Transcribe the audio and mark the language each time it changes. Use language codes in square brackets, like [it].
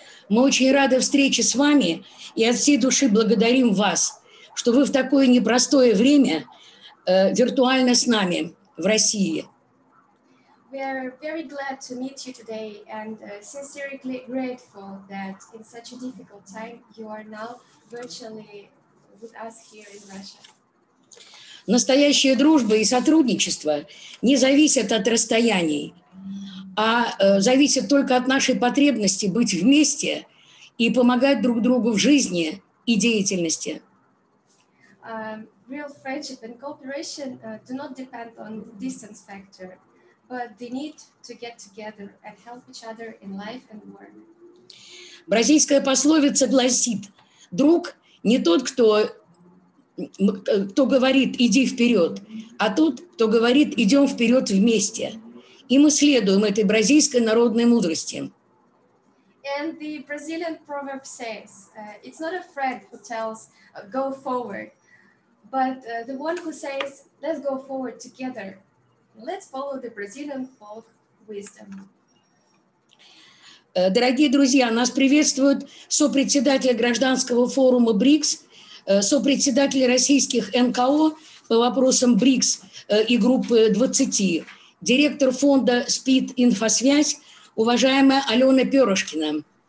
[ru] Мы очень рады встрече с вами и от всей души благодарим вас, что вы в такое непростое время виртуально с нами в России. [en] We are very glad to meet you today and sincerely grateful that in such a difficult time you are now virtually with us here in Russia. [ru] Настоящая дружба и сотрудничество не зависят от расстояний, а зависят только от нашей потребности быть вместе и помогать друг другу в жизни и деятельности. [en] Real friendship and cooperation do not depend on the distance factor, but the need to get together and help each other in life and work. [ru] Бразильская пословица гласит: друг не тот, кто говорит «иди вперед», а тот, кто говорит «идем вперед вместе». И мы следуем этой бразильской народной мудрости. [en] And the Brazilian proverb says, it's not a friend who tells go forward, but the one who says let's go forward together. Let's follow the Brazilian folk wisdom. [ru] Дорогие друзья, нас приветствуют сопредседатели гражданского форума БРИКС, сопредседатели российских НКО по вопросам БРИКС и группы 20, директор фонда СПИД Инфосвязь, уважаемая Алена Перышкина.